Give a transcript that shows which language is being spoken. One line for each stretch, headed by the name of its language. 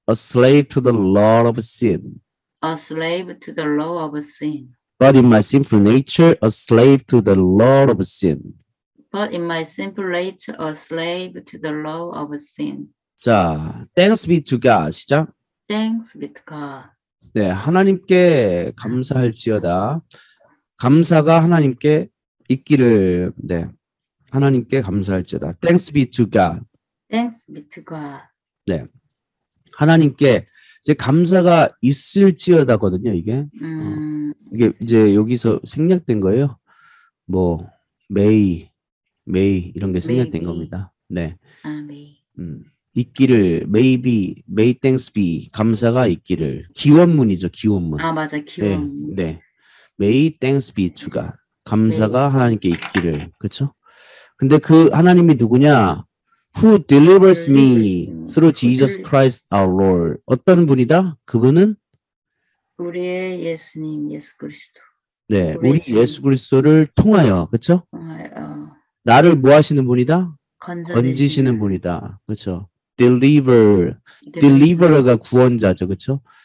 English: A slave to the law of sin. A slave to the law of sin. But in my simple nature, a slave to the law of sin. But in my simple nature, a slave to the law of sin. 자, thanks be to God.
Korean: 시작.
English: Thanks be to God.
Korean: 네, 하나님께 감사할지어다. 감사가 하나님께 있기를. 네, 하나님께 감사할지어다.
English: Thanks be to God. Thanks be to God.
Korean: 네, 하나님께 이제 감사가 있을지어다거든요. 이게 이게 이제 여기서 생략된 거예요. 뭐 may 이런 게 생략된
English: maybe.
Korean: 겁니다. 네. 아, may. 있기를
English: maybe may thanks be
Korean: 감사가 있기를 기원문이죠. 기원문. 아 맞아 기원문. 네. 네.
English: May thanks be to God.
Korean: 감사가 네. 하나님께 있기를 그렇죠. 근데 그 하나님이 누구냐?
English: who delivers me through Jesus Christ our Lord.
Korean: 어떤 분이다? 그분은 우리의 예수님 예수 그리스도. 네, 우리 예수 그리스도를 통하여, 그렇죠? 나를 뭐 하시는 분이다? 건지시는 분이다. 그렇죠? Deliver. Deliverer가 구원자죠. 그렇죠?